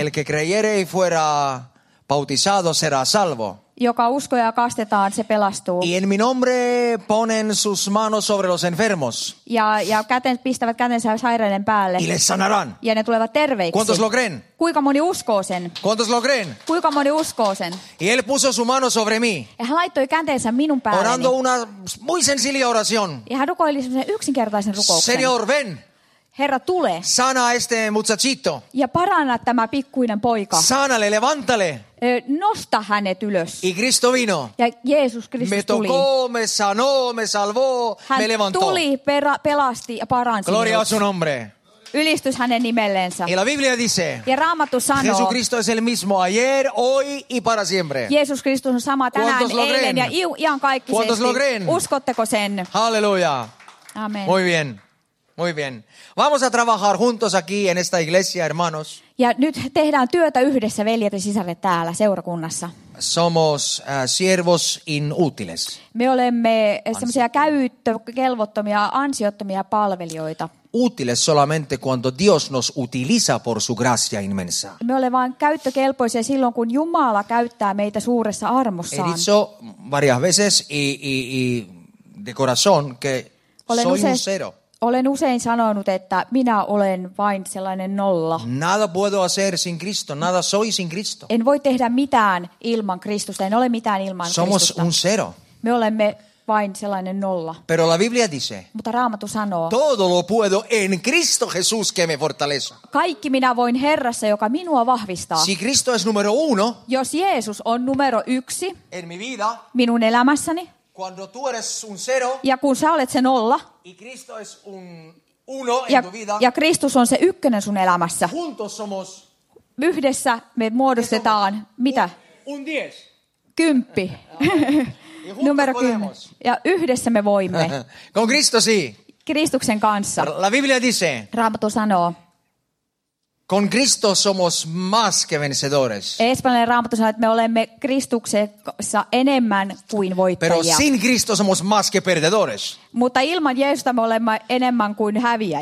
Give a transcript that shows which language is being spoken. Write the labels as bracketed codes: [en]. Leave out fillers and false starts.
[es] El que creyere y fuera bautizado será salvo. [fi] Joka uskoo ja kastetaan, se pelastuu. [es] Y en mi nombre ponen sus manos sobre los enfermos. [fi] Ja kätensä pistävät kätensä sairaiden päälle. [es] Y les sanarán. [fi] Ja ne tulevat terveiksi. [es] ¿Cuántos lo creen? [fi] Kuinka moni uskoo sen? [es] ¿Cuántos lo creen? [fi] Kuinka moni uskoo sen? [es] Y él puso su mano sobre mí. [fi] Ja hän laittoi kätensä minun päälleni. [es] Orando una muy sencilla oración. [fi] Ja hän rukoili sellaisen yksinkertaisen rukouksen. [es] Señor, ven. [fi] Herra, tule. [es] Sana este muchachito. [fi] Ja paranna tämä pikkuinen poika. [es] Sánale, levántale. [fi] Nosta hänet ylös. [es] Y Cristo vino. [fi] Ja Jeesus Kristus [es] me tocó, [fi] tuli. [es] Me sanó, me salvó, [fi] hän [es] me levantó. [fi] Tuli, pelasti ja paransi. [es] Gloria a su nombre. [fi] Ylistys hänen nimellensä. [es] Y la Biblia dice. [fi] Ja Raamattu sanoo. [es] Jesucristo es el mismo ayer, hoy y para siempre. [fi] Jeesus Kristus on sama tänään, eilen ja iankaikkisesti. Uskotteko sen? Halleluja. Amen. [es] Muy bien. Muy bien. Vamos a trabajar juntos aquí en esta iglesia, hermanos. [fi] Ja nyt tehdään työtä yhdessä, veljet ja sisaret, täällä seurakunnassa. [es] Somos siervos inútiles. [fi] Me olemme semmoisia käyttökelvottomia, ansiottomia palvelijoita. [es] Útiles solamente cuando Dios nos utiliza por su gracia inmensa. [fi] Me olemme vain käyttökelpoisia silloin, kun Jumala käyttää meitä suuressa armossaan. [es] He dicho varias veces y de corazón que soy un cero. [fi] Olen usein sanonut, että minä olen vain sellainen nolla. [es] Nada puedo hacer sin Cristo, nada soy sin Cristo. [fi] En voi tehdä mitään ilman Kristusta, en ole mitään ilman [es] Somos [fi] Kristusta. [es] Un cero. [fi] Me olemme vain sellainen nolla. [es] Pero la Biblia dice, [fi] mutta Raamattu sanoo. [es] Todo lo puedo en Cristo Jesús que me fortalece. [fi] Kaikki minä voin Herrassa, joka minua vahvistaa. [es] Si Cristo es número uno. [fi] Jos Jeesus on numero yksi. [es] En mi vida. [fi] Minun elämässäni. [es] Cuando tú eres un cero, [fi] ja kun sä olet se nolla, [es] y Cristo es un uno [fi] ja, [es] en tu vida, [fi] ja Kristus on se ykkönen sun elämässä, [es] juntos somos, [fi] yhdessä me muodostetaan, [es] somos, [fi] mitä? [es] Un diez. [fi] Kymppi. Numero kymmen. Ja yhdessä me voimme. [es] Con Cristo sí. [fi] Kristuksen kanssa. [es] La Biblia dice. [fi] Raamattu sanoo. [es] Con Cristo somos más que vencedores. [fi] Espanjalainen Raamattu sanoo, että me olemme Kristuksessa enemmän kuin voittajia. [es] Pero sin Cristo somos más que perdedores. [fi] Mutta ilman Jeesusta me olemme enemmän kuin häviäjiä.